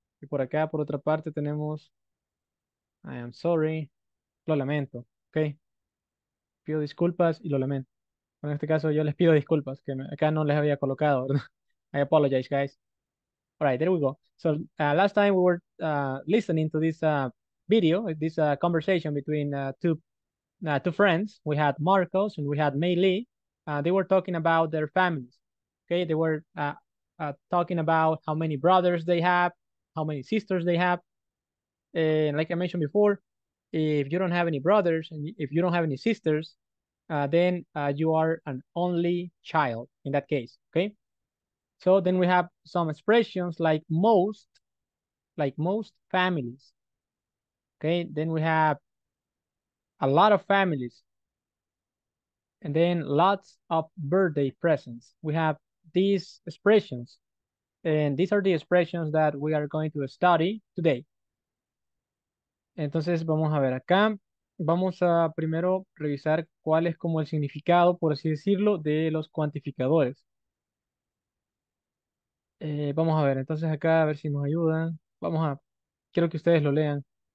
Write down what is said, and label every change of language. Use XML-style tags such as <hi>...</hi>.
<es>Y por acá, por otra parte, tenemos</es> <en>I am sorry.</en> <es>Lo lamento. Ok. Pido disculpas y lo lamento. Bueno, en este caso, yo les pido disculpas. Que acá no les había colocado, ¿verdad?</es> <en>I apologize, guys. All right, there we go. So, last time we were listening to this video, this conversation between two friends. We had Marcos and we had Mei Li. They were talking about their families. Okay, they were talking about how many brothers they have, how many sisters they have. And like I mentioned before, if you don't have any brothers and if you don't have any sisters, then you are an only child in that case. Okay. So then we have some expressions like most families. Okay. Then we have a lot of families. And then lots of birthday presents. We have these expressions, and these are the expressions that we are going to study today.</en> <es>Entonces vamos a ver acá, vamos a primero revisar cuál es como el significado, por así decirlo, de los cuantificadores. Vamos a ver, entonces acá a ver si nos ayudan, vamos a, quiero que ustedes lo lean.</es>